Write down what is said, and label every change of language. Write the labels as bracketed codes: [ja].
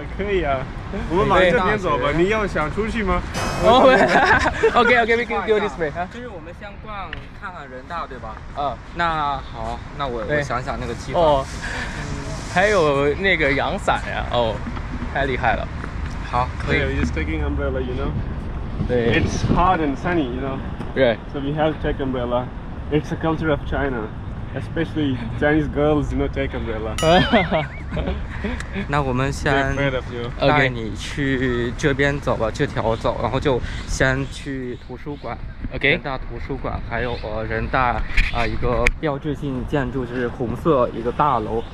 [zh] 可以啊。我们往这边走吧。你要想出去吗？ [en] OK, we can go this way. [zh] 就是我们先逛看看人大，对吧？嗯。那好，那我想想那个计划。还有那个阳伞呀，哦，太厉害了。好，可以。 [en] You're just taking umbrella, you know. [zh] 对。 [en] It's hot and sunny, you know. Right. So we have to take umbrella. It's the culture of China. especially Chinese girls do not take umbrella. [zh] 那我们先带你去这边走吧，这条走，然后就先去图书馆。 [en] OK， [zh] 人大图书馆，还有人大一个标志性建筑，就是红色一个大楼。